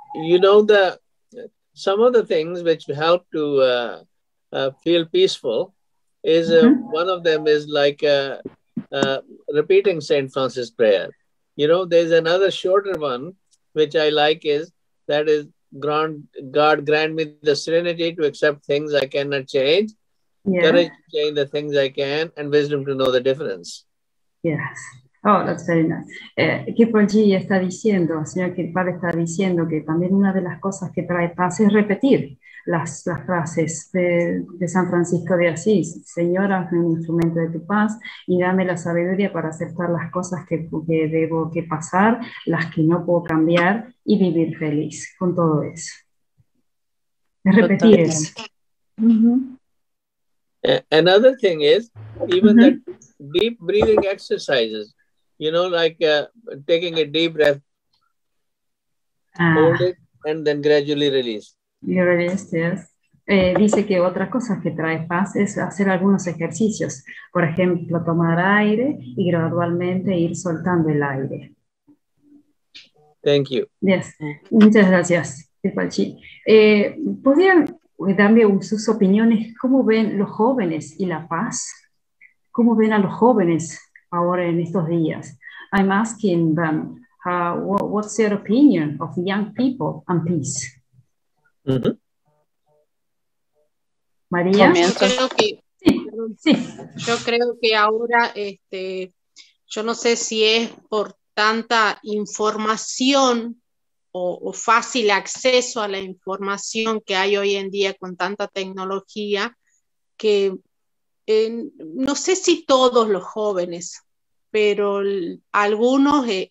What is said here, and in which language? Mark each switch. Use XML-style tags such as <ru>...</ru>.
<en>You know the some of the things which help to feel peaceful is one of them is like repeating Saint Francis prayer. You know, there's another shorter one which I like is that is God grant me the serenity to accept things I cannot change, courage to change the things I can, and wisdom to know the difference. Yes. Oh, that's very nice.</en> <es>Que por allí está diciendo, señor Kirpal está diciendo que también una de las cosas que trae paz es repetir las frases de San Francisco de Asís. Señor, hazme un instrumento de tu paz y dame la sabiduría para aceptar las cosas que debo que pasar, las que no puedo cambiar y vivir feliz con todo eso. Es repetir eso.</es> <en>Another thing is, even the deep breathing exercises. You know, like taking a deep breath, hold it, and then gradually release. You release, yes.</en> <es>Dice que otras cosas que trae paz es hacer algunos ejercicios. Por ejemplo, tomar aire y gradualmente ir soltando el aire.</es> <en>Thank you.</en> <es>Yes. Muchas gracias, Kirpalchi. ¿Podrían darme sus opiniones? ¿Cómo ven los jóvenes y la paz? ¿Cómo ven a los jóvenes ahora en estos días?</es> <en>I'm asking them, what's their opinion of young people and peace?</en> <es>María, yo creo que ahora, yo no sé si es por tanta información o fácil acceso a la información que hay hoy en día con tanta tecnología, que no sé si todos los jóvenes, pero algunos</es>